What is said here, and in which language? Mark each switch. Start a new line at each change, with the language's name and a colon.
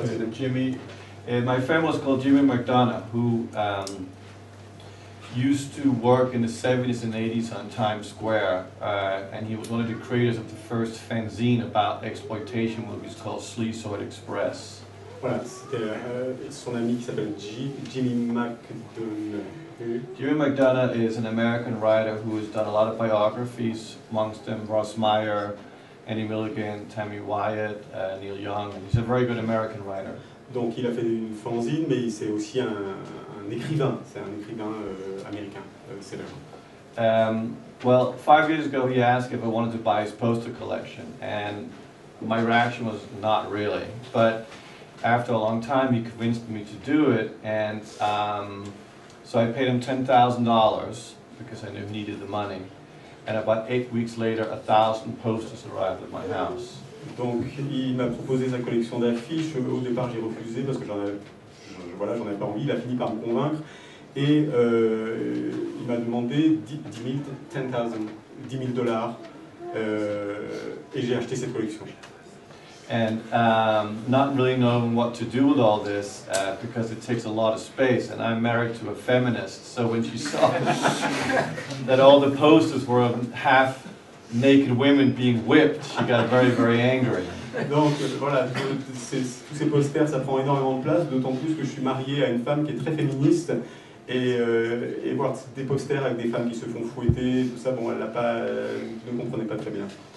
English: Jimmy, and my friend was called Jimmy McDonough, who used to work in the 70s and 80s on Times Square, and he was one of the creators of the first fanzine about exploitation movies called Sleazoid Express.
French: Voilà, c'était son ami qui s'appelle Jimmy McDonough.
English: Jimmy McDonough is an American writer who has done a lot of biographies, amongst them Russ Meyer, Annie Milligan, Tammy Wyatt, Neil Young. He's a very good American writer.
French: Donc il a fait une fanzine, mais c'est aussi un écrivain. C'est un écrivain américain, célèbre.
English: Well, 5 years ago, he asked if I wanted to buy his poster collection, and my reaction was not really. But after a long time, he convinced me to do it, and so I paid him $10,000 because I knew he needed the money. And about 8 weeks later, 1,000 posters arrived at my house.
French: Donc, il m'a proposé sa collection d'affiches. Au départ, j'ai refusé parce que j'en avais pas envie. Il a fini par me convaincre et il m'a demandé $10,000, et j'ai acheté cette collection.
English: And not really knowing what to do with all this because it takes a lot of space, and I'm married to a feminist, so when she saw that all the posters were of half naked women being whipped, she got very, very angry.
French: Donc voilà, tous ces posters, ça prend énormément de place, d'autant plus que je suis marié à une femme qui est très féministe, et voir des posters avec des femmes qui se font fouetter, tout ça, bon, elle ne comprenait pas très bien.